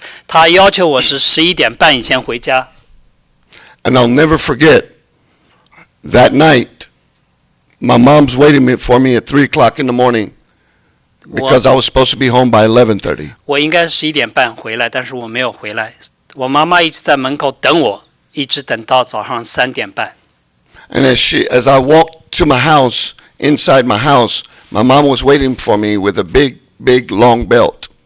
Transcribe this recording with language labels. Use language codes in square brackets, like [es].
[zh] 有一天晚上我从镇外回家，那妈妈在门口看到我，她要求我是11点半以前回家。 [en] And I'll never forget that night, my mom's waiting for me at 3 o'clock in the morning. Because I was supposed to be home by 11:30. [zh] 我应该是11点半回来，但是我没有回来。我妈妈一直在门口等我，一直等到早上3点半。And [en] as I walked to my house, inside my house, my mom was waiting for me with a big long belt.